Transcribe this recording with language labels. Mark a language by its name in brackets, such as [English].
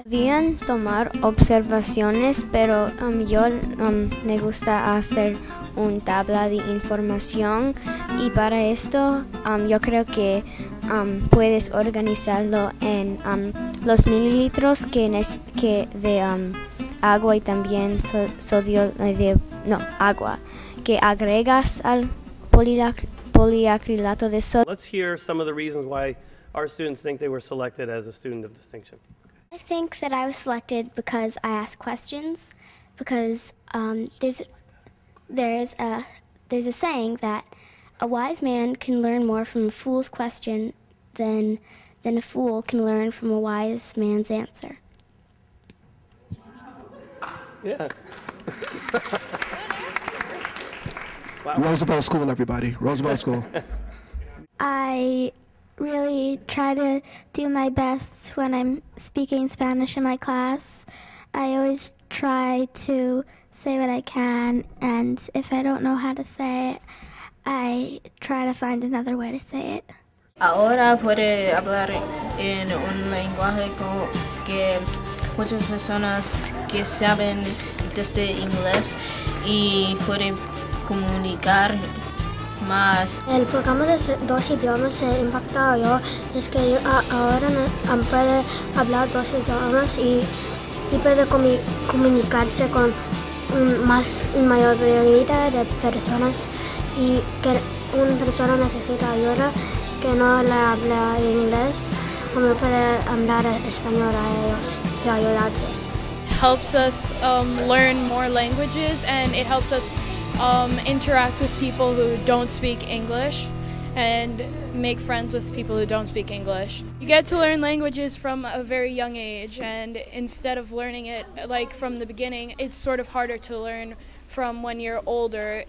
[Spanish] Podían tomar observaciones, pero yo me gusta hacer un tabla de información, y para esto yo creo que puedes organizarlo en los mililitros que de agua y también sodio de no agua que agregas al poliacrilato de sodio. [English] Let's hear some of the reasons why our students think they were selected as a student of distinction. I think that I was selected because I asked questions, because there's a saying that a wise man can learn more from a fool's question than a fool can learn from a wise man's answer. Yeah. Wow. Roosevelt School, everybody. Roosevelt School. I really try to do my best when I'm speaking Spanish in my class. I always try to say what I can, and if I don't know how to say it, I try to find another way to say it. [Spanish] Ahora puede hablar en un lenguaje que muchas personas que saben desde inglés y puede comunicar más. El programa de dos idiomas se ha impactado yo, es que yo ahora puedo hablar dos idiomas y puedo comunicarse con más mayor mayoría de personas y que una persona necesita ayuda que no le habla inglés, como puede hablar español a ellos y ayudarle. [English] Helps us learn more languages, and it helps us interact with people who don't speak English and make friends with people who don't speak English. You get to learn languages from a very young age, and instead of learning it like from the beginning, it's sort of harder to learn from when you're older.